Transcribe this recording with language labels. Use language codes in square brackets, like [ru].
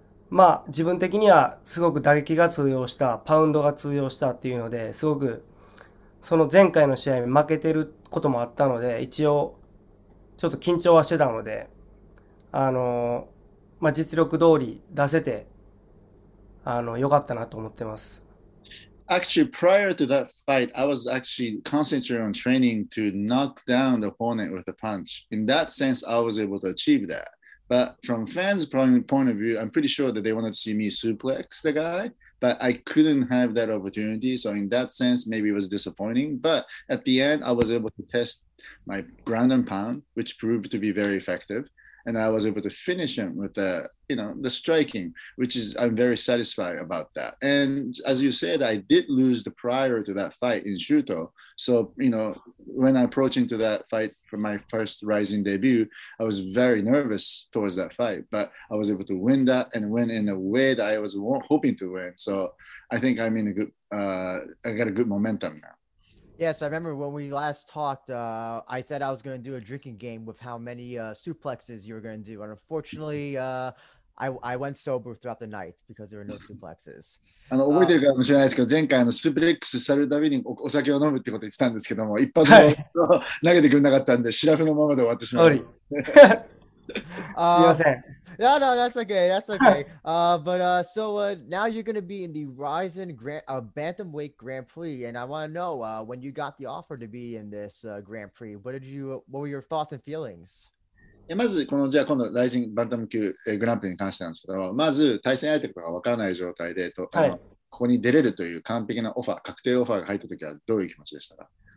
[ja] まあ、自分的にはすごく打撃が通用した、パウンドが通用したっていうのですごく、その前回の試合負けてることもあったので、一応ちょっと緊張はしてたので、まあ、実力通り出せて、良かったなと思ってます。 [en] Actually, prior to that fight, I was actually concentrating on training to knock down the opponent with a punch. In that sense, I was able to achieve that. But from fans' point of view, I'm pretty sure that they wanted to see me suplex the guy. But I couldn't have that opportunity. So in that sense, maybe it was disappointing. But at the end, I was able to test my ground and pound, which proved to be very effective. And I was able to finish him with the striking, which is, I'm very satisfied about that. And as you said, I did lose the prior to that fight in Shuto. So, you know, when I approached into that fight for my first Ryzen debut, I was very nervous towards that fight, but I was able to win that and win in a way that I was hoping to win. So I think I'm in a good, I got a good momentum now. Yes, I remember when we last talked, I said I was going to do a drinking game with how many suplexes you were going to do. And unfortunately, I went sober throughout the night because there were no suplexes. [ja] 覚えてるかもしれないですけど、前回のスープレックスされるたびにお酒を飲むってこと言ってたんですけども、一発も投げてくれなかったんで、シラフのままで終わってしまった。 [en] No, that's okay. Now you're going to be in the Ryzen Bantamweight Grand Prix, and I want to know when you got the offer to be in this Grand Prix, what were your thoughts and feelings? [ja] まずこのじゃあ今度ライジンバンタム級グランプリに関してなんですけど、まず対戦相手とかわからない状態でと、はい、ここに出れるという完璧なオファー、確定オファーが入った時はどういう気持ちでしたか？